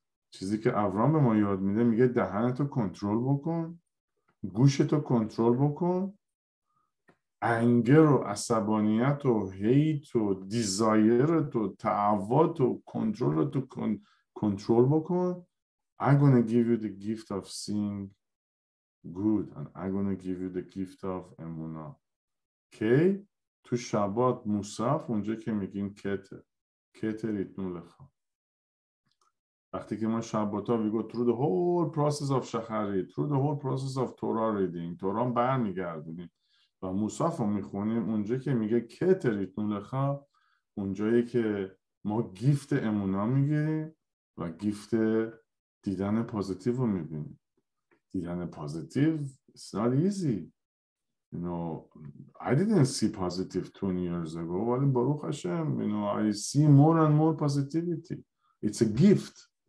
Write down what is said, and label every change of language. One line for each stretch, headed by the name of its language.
Persian: چیزی که ابراهام به ما یاد میده، میگه دهنتو کنترل بکن، گوشتو کنترل بکن، انگر و عصبانیت و هیت و دیزایرت و تعوات و کنترلتو کنترل بکن.
English: I'm gonna give you the gift of seeing good and I'm gonna give you the gift of emunah. Okay?
Persian: تو شبات مصحف اونجا که میگیم کتر ایتنو لخا. وقتی که ما شبات ها بگو
English: through the whole process of
Persian: شخری، through the whole process of Torah reading، Torah هم بر میگردونیم و مصحف رو میخونیم، اونجا که میگه کترید نولخا، اونجایی که ما گیفت امونا میگیریم و گیفت دیدن پوزیتیو رو میبینیم. دیدن پوزیتیو
English: it's not easy. You know, I didn't see positive 20 years ago,
Persian: ولی بروخ هشم,
English: you know, I see more and more positivity. It's a gift.